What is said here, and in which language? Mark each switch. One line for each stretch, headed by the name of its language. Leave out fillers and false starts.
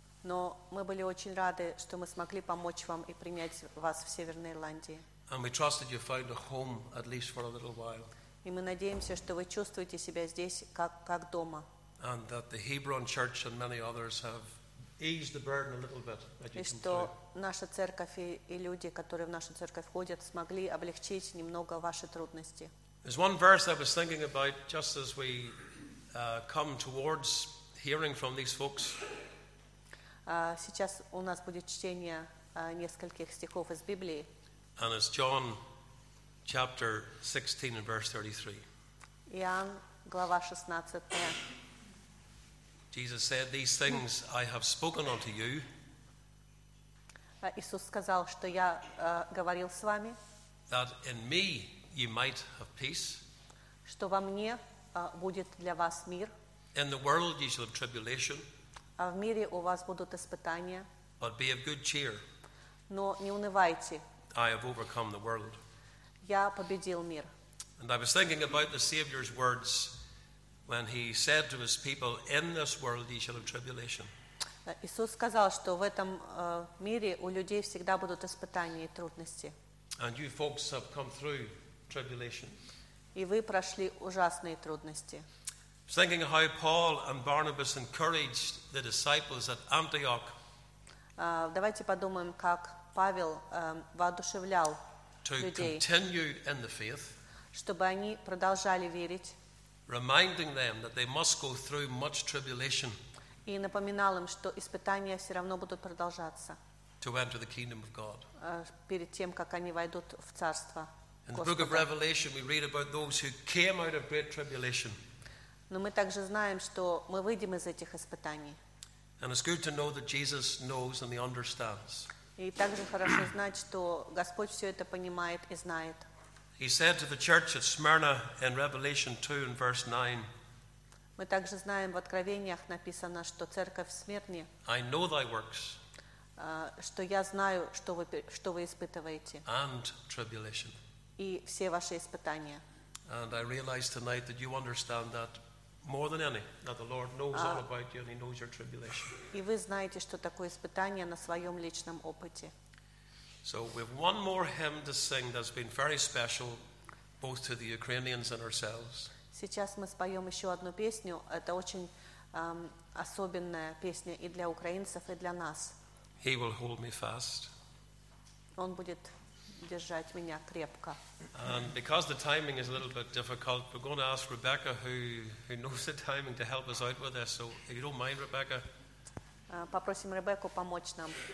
Russian: Но мы были очень рады, что мы смогли помочь вам и принять вас в Северной Ирландии.
English: And we trust that you find a home at least for a little while.
Russian: И мы надеемся, что вы чувствуете себя здесь как дома.
English: And that the Hebron Church and many others have eased the burden a little bit that you
Russian: И что наша церковь и люди, которые в нашу церковь ходят, смогли облегчить немного ваши трудности.
English: There's one verse I was thinking about just as we come towards hearing from these folks.
Russian: Сейчас у нас будет чтение нескольких стихов из Библии.
English: And it's John chapter 16 and verse 33.
Russian: Иоанн, глава 16.
English: Jesus said, "These things I have spoken unto you."
Russian: Иисус сказал, что я говорил с вами.
English: That in me ye might have peace.
Russian: Что во мне будет для вас мир.
English: In the world ye shall have tribulation.
Russian: А в мире у вас будут испытания.
English: But be of good cheer.
Russian: Но не унывайте.
English: I have overcome the world.
Russian: Я победил мир.
English: And I was thinking about the Savior's words when he said to his people, "In this world ye shall have tribulation."
Russian: Иисус сказал, что в этом мире у людей всегда будут испытания и трудности.
English: And you folks have come through tribulation.
Russian: И вы прошли ужасные трудности.
English: I was thinking how Paul and Barnabas encouraged the disciples at Antioch.
Russian: Давайте подумаем, как Павел воодушевлял людей.
English: To continue in the faith.
Russian: Чтобы они продолжали верить.
English: Reminding them that they must go through much tribulation.
Russian: И напоминал им, что испытания все равно будут продолжаться.
English: To enter the kingdom of God.
Russian: Перед тем, как они войдут в царство.
English: In the book of Revelation, we read about those who came out of great tribulation.
Russian: Но мы также знаем, что мы выйдем из этих испытаний.
English: And it's good to know that Jesus knows and he understands.
Russian: И также хорошо знать, что Господь все это понимает и знает.
English: He said to the church at Smyrna in Revelation 2 and verse 9.
Russian: Мы также знаем, в Откровениях написано, что церковь в Смирне.
English: I know thy works.
Russian: Что я знаю, что вы испытываете.
English: And tribulation.
Russian: И все ваши испытания.
English: And I realize tonight that you understand that more than any, that the Lord knows all about you and he knows your tribulation.
Russian: И вы знаете, что такое испытание на своем личном опыте.
English: So we have one more hymn to sing that's been very special both to the Ukrainians and ourselves.
Russian: Сейчас мы споем еще одну песню. Это очень особенная песня и для украинцев, и для нас.
English: He will hold me fast.
Russian: Он будет держать меня крепко.
English: And because the timing is a little bit difficult, we're going to ask Rebecca, who knows the timing, to help us out with this. So if you don't mind, Rebecca.
Russian: Попросим Ребекку помочь нам.